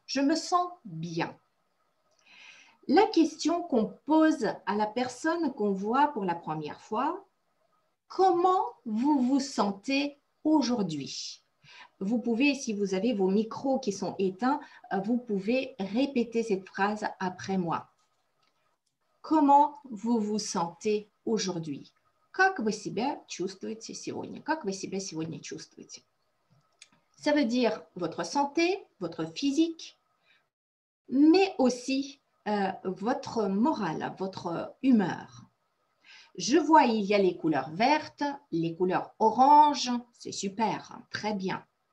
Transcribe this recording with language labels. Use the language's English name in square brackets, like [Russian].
[French] Je me sens bien. La question qu'on pose à la personne qu'on voit pour la première fois, comment vous vous sentez aujourd'hui? Vous pouvez, si vous avez vos micros qui sont éteints, vous pouvez répéter cette phrase après moi. Comment vous vous sentez aujourd'hui? [Russian] Как вы себя чувствуете сегодня? Как вы себя сегодня чувствуете? [French] Ça veut dire votre santé, votre physique, mais aussi votre morale, votre humeur. Je vois, il y a les couleurs vertes, les couleurs oranges, c'est super, très bien.